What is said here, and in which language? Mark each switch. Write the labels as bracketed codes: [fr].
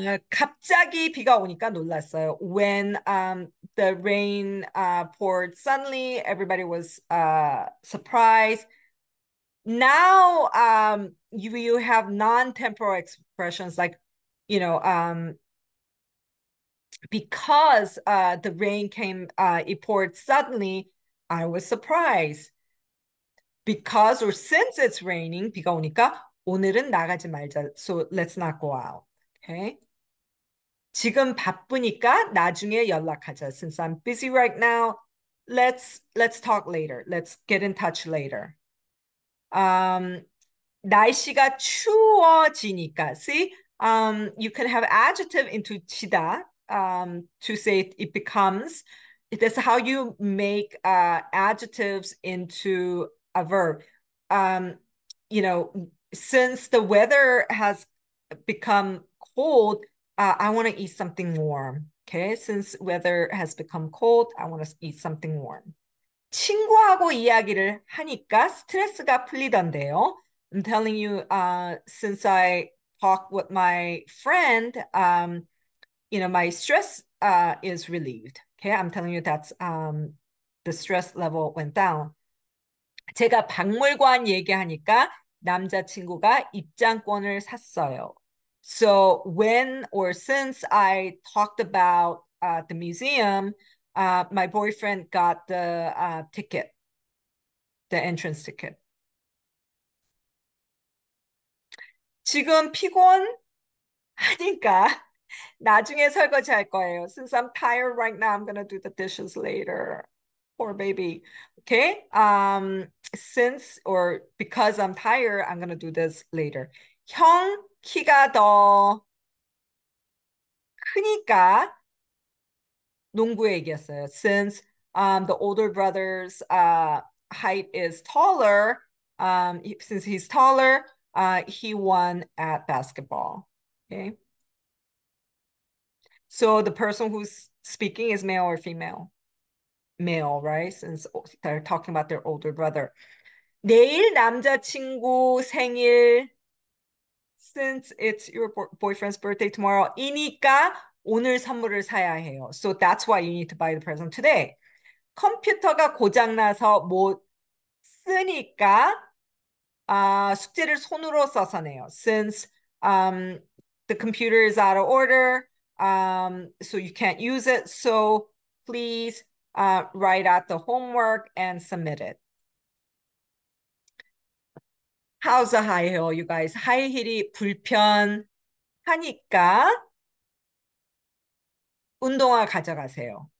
[ko] 갑자기 비가 오니까 놀랐어요. [en] When the rain poured suddenly, everybody was surprised. Now you have non-temporal expressions like, because the rain came, it poured suddenly, I was surprised. Because or since it's raining, [ko] 비가 오니까 오늘은 나가지 말자. [en] So let's not go out. Okay. [ko] 지금 바쁘니까 나중에 연락하자. [en] Since I'm busy right now, let's talk later. Let's get in touch later. [ko] 날씨가 추워지니까. [en] See, you can have adjective into 지다, to say it becomes. That's how you make adjectives into a verb. Since the weather has become cold, I want to eat something warm. Okay, since weather has become cold, I want to eat something warm. [ko] 친구하고 이야기를 하니까 스트레스가 풀리던데요. [en] I'm telling you, since I talk with my friend, my stress is relieved. Okay, I'm telling you that's the stress level went down. [ko] 제가 박물관 얘기하니까 남자친구가 입장권을 샀어요. [en] So when or since I talked about the museum, my boyfriend got the ticket, the entrance ticket. [ko] 지금 피곤하니까 나중에 설거지할 거예요. [en] Since I'm tired right now, I'm gonna do the dishes later. Poor baby. Okay. Since or because I'm tired, I'm gonna do this later. [ko] 형 키가 더 크니까 농구 얘기했어요. [en] Since the older brother's height is taller, since he's taller, he won at basketball. Okay. So the person who's speaking is male or female? Male, right? Since they're talking about their older brother. [ko] 내일 남자친구 생일. [en] Since it's your boyfriend's birthday tomorrow, [ko] 이니까 오늘 선물을 사야 해요. [en] So that's why you need to buy the present today. [ko] 컴퓨터가 고장나서 못 쓰니까 숙제를 손으로 써서 내요. [en] Since the computer is out of order, so you can't use it. So please. Write out the homework and submit it. How's the high heel, you guys? High heel이 [ko] 불편하니까 운동화 가져가세요.